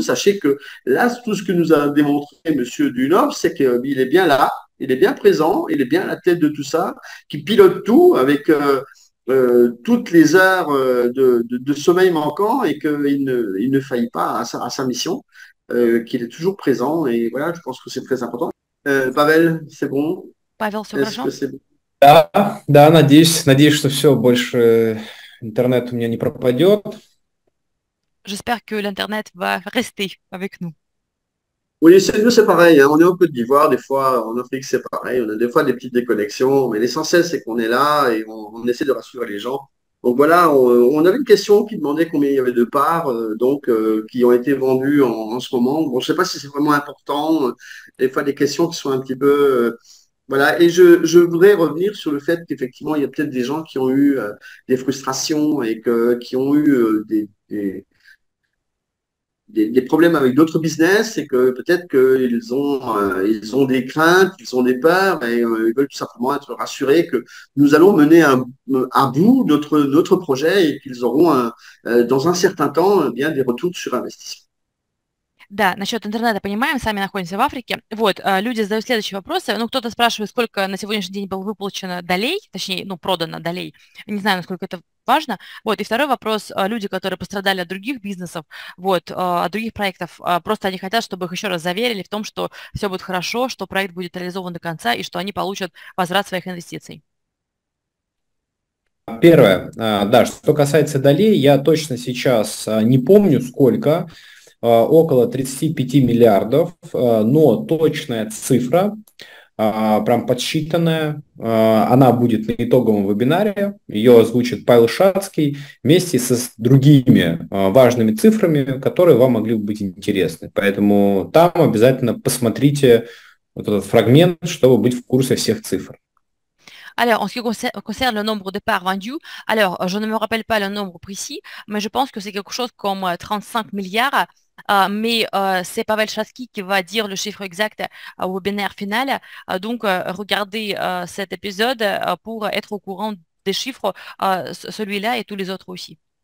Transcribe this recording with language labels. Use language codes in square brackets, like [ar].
[fr] Sachez que là, tout ce que nous a démontré Monsieur Dunov, c'est qu'il est bien là, il est bien présent, il est bien à la tête de tout ça, qui pilote tout avec toutes les heures de sommeil manquant et qu'il ne faillit pas à sa mission, qu'il est toujours présent. Et voilà, je pense que c'est très important. Pavel, c'est bon? [ru] Павел [fr] Est-ce Сугражан? que c'est bon? [ru] Да, надеюсь, что все, больше интернет у меня не пропадет. [fr] J'espère que l'Internet va rester avec nous. Oui, c'est nous, c'est pareil. Hein. On est en Côte d'Ivoire, des fois, en Afrique, c'est pareil. On a des fois des petites déconnexions, mais l'essentiel, c'est qu'on est là et on essaie de rassurer les gens. Donc voilà, on avait une question qui demandait combien il y avait de parts qui ont été vendues en ce moment. Bon, je ne sais pas si c'est vraiment important. Des fois, des questions qui sont un petit peu. Voilà, et je voudrais revenir sur le fait qu'effectivement, il y a peut-être des gens qui ont eu des frustrations et qui ont eu des des problèmes avec d'autres business, c'est que peut-être qu'ils ont, ils ont des craintes, ils ont des peurs, et ils veulent tout simplement être rassurés que nous allons mener à bout notre projet et qu'ils auront dans un certain temps bien des retours sur investissement. [ru] Да, насчет интернета понимаем, сами находимся в Африке. Вот, люди задают следующие вопросы. Ну, кто-то спрашивает, сколько на сегодняшний день было выплачено долей, точнее, ну, продано долей. Не знаю, насколько это важно. Вот, и второй вопрос. Люди, которые пострадали от других бизнесов, вот, от других проектов, просто они хотят, чтобы их еще раз заверили в том, что все будет хорошо, что проект будет реализован до конца и что они получат возврат своих инвестиций. Первое, да, что касается долей, я точно сейчас не помню, сколько, около 35 миллиардов, но точная цифра, прям подсчитанная, она будет на итоговом вебинаре, ее озвучит Павел Шацкий вместе с другими важными цифрами, которые вам могли бы быть интересны. Поэтому там обязательно посмотрите вот этот фрагмент, чтобы быть в курсе всех цифр. [fr] Alors, en ce qui concerne le nombre de parts vendues, alors, je ne me rappelle pas le nombre précis, mais je pense que c'est quelque chose comme 35 milliards. Mais c'est Pavel Chatsky qui va dire le chiffre exact au webinaire final. Donc, regardez cet épisode pour être au courant des chiffres, celui-là et tous les autres aussi.